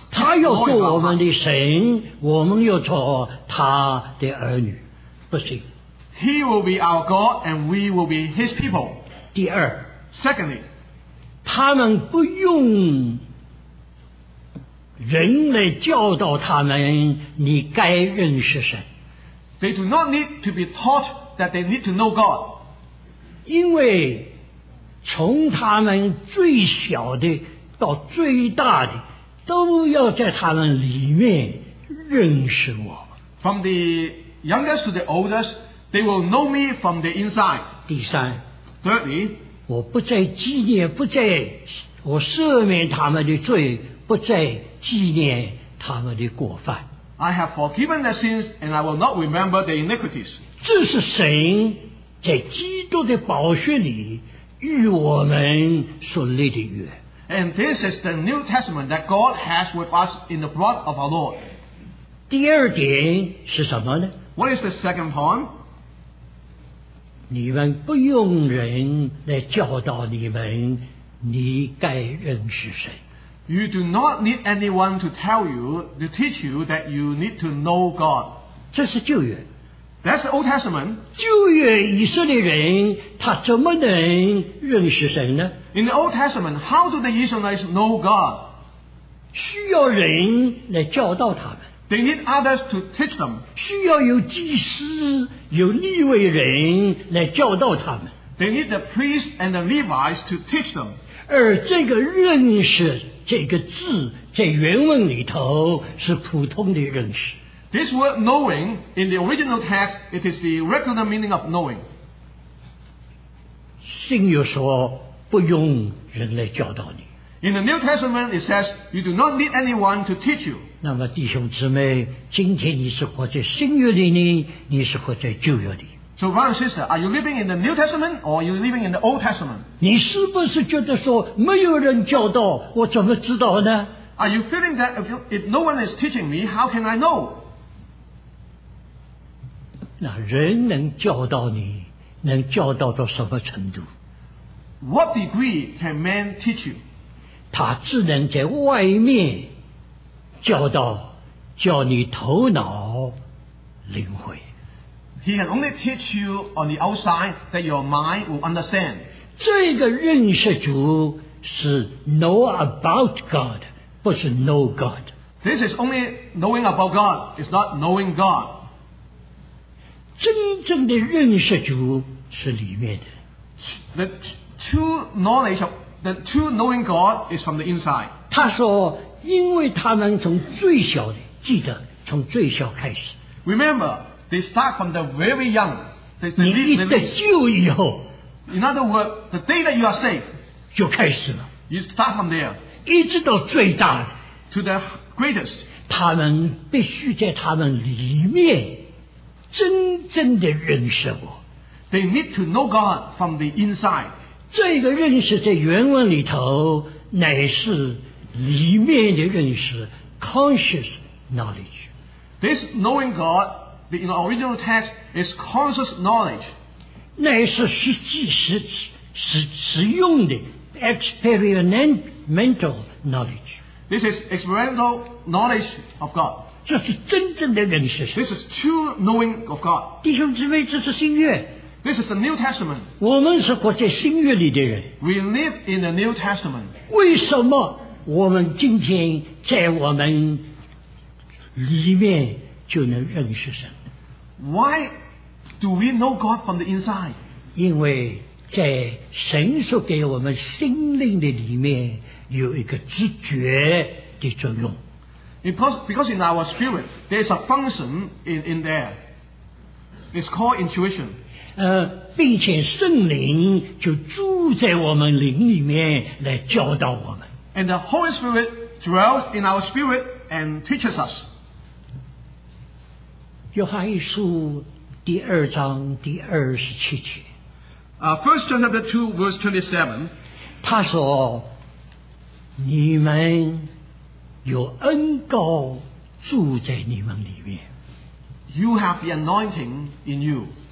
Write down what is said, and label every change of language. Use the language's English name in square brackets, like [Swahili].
[Chinese] 他要做我们的神，我们要做他的儿女。不行。 [English] He will be our God and we will be his people. [Chinese] 第二。 [English] Secondly, [Chinese] 他们不用人来教导他们你该认识神。 [English] They do not need to be taught that they need to know God. [Chinese] 因为从他们最小的到最大的都要在他们里面认识我。 [English] From the youngest to the oldest, they will know me from the inside. [Chinese] 第三， [English] Thirdly, [Chinese] 我不再纪念，不再我赦免他们的罪，不再纪念他们的过犯。 [English] I have forgiven their sins and I will not remember their iniquities. [Chinese] 这是神在基督的宝血里与我们所立的约。 [English] And this is the New Testament that God has with us in the blood of our Lord. [Chinese] 第二点是什么呢？ [English] What is the second point? [Chinese] 你们不用人来教导你们，你该认识谁。 [English] You do not need anyone to tell you, to teach you that you need to know God. [Chinese] 这是旧约。 [English] That's the Old Testament. [Chinese] 旧约以色列人他怎么能认识神呢？ [English] In the Old Testament, how do the Israelites know God? [Chinese] 需要人来教导他们。 [English] They need others to teach them. [Chinese] 需要有祭司、有利未人来教导他们。 [English] They need the priests and the Levites to teach them. [Chinese] 而这个认识这个字在原文里头是普通的认识。 [English] This word knowing, in the original text, it is the regular meaning of knowing. [Chinese] 新约说不用人来教导你。 [English] In the New Testament, it says, you do not need anyone to teach you. [Chinese] 那么弟兄姊妹，今天你是活在新约里呢，你是活在旧约里。 [English] So brother and sister, are you living in the New Testament or are you living in the Old Testament? [Chinese] 你是不是觉得说没有人教导，我怎么知道呢？ [English] Are you feeling that if no one is teaching me, how can I know? [Chinese] 那人能教导你，能教导到什么程度？ [English] What degree can man teach you? [Chinese] 他只能在外面教导，叫你头脑领会。 [English] He can only teach you on the outside that your mind will understand. [Chinese] 这个认识主是 [English] know about God, [Chinese] 不是 [English] know God. This is only knowing about God, it's not knowing God. [Chinese] 真正的认识主是里面的。 [English] The true knowing God is from the inside. [Chinese] 他说因为他们从最小的，记得从最小开始。 [English] Remember, they start from the very young. [Chinese] 你立得救以后， [English] In other words, the day that you are saved [Chinese] 就开始了。 [English] You start from there. [Chinese] 一直到最大的， [English] To the greatest. [Chinese] 他们必须在他们里面真正的认识我。 [English] They need to know God from the inside. [Chinese] 这个认识在原文里头乃是里面的认识， [English] conscious knowledge. This knowing God, in the original text, is conscious knowledge. [Chinese] 乃是实际实用的 [English] experimental knowledge. This is experimental knowledge of God. [Chinese] 这是真正的认识。 [English] This is true knowing of God. [Chinese] 弟兄姊妹，这是新约。 [English] This is the New Testament. [Chinese] 我们是活在新约里的人。 [English] We live in the New Testament. [Chinese] 为什么我们今天在我们里面就能认识神？ [English] Why Do we know God from the inside? [Chinese] 因为在神所给我们心灵的里面有一个知觉的作用。 [English] Because in our spirit, there is a function in there. It's called intuition. [Chinese] 并且圣灵就住在我们灵里面来教导我们。 [English] And the Holy Spirit dwells in our spirit and teaches us. [Chinese] 约翰一书第二章第二十七节。 [English] First John chapter 2, verse 27. [Chinese] 他说，你们有恩膏住在你们里面。 [English] You have the anointing in you.